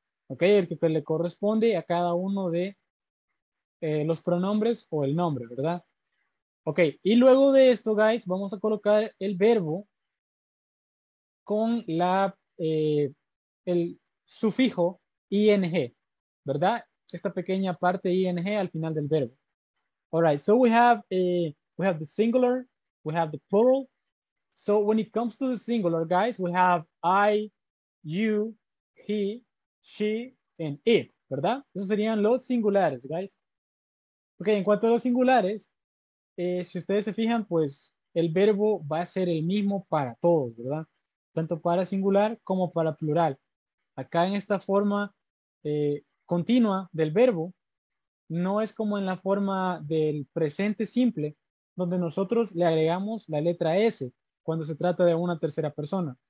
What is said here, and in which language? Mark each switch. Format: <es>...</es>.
<es>Ok, el que le corresponde a cada uno de los pronombres o el nombre, ¿verdad? Ok, y luego de esto, guys, vamos a colocar el verbo con la el sufijo ing, ¿verdad? Esta pequeña parte ing al final del verbo.</es> <en>All right, so we have the singular, we have the plural. So when it comes to the singular, guys, we have I, you, he, she,</en> <es>en it, ¿verdad? Esos serían los singulares, guys. Ok, en cuanto a los singulares, si ustedes se fijan, pues el verbo va a ser el mismo para todos, ¿verdad? Tanto para singular como para plural. Acá en esta forma continua del verbo, no es como en la forma del presente simple, donde nosotros le agregamos la letra S cuando se trata de una tercera persona.</es>